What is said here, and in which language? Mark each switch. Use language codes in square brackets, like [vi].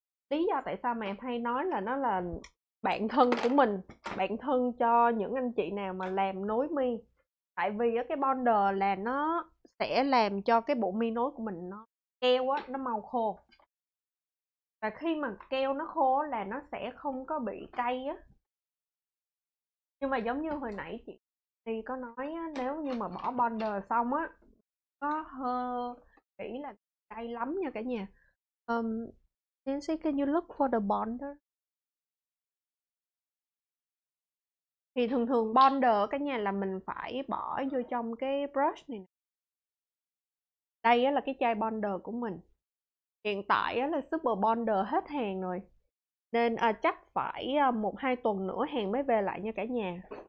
[vi] Lý do tại sao mà em hay nói là nó là bạn thân của mình, bạn thân cho những anh chị nào mà làm nối mi, tại vì á cái bonder là nó sẽ làm cho cái bộ mi nối của mình nó keo á, nó mau khô, và khi mà keo nó khô là nó sẽ không có bị cay á. Nhưng mà giống như hồi nãy chị thì có nói á, nếu như mà bỏ bonder xong á có hơi kỹ là cay lắm nha cả nhà. [en] Nancy, can you look for the bonder? [vi] Thì thường thường bonder ở cái nhà là mình phải bỏ vô trong cái brush này. Đây á là cái chai bonder của mình. Hiện tại á là super bonder hết hàng rồi. Nên chắc phải 1-2 tuần nữa hàng mới về lại nha cả nhà.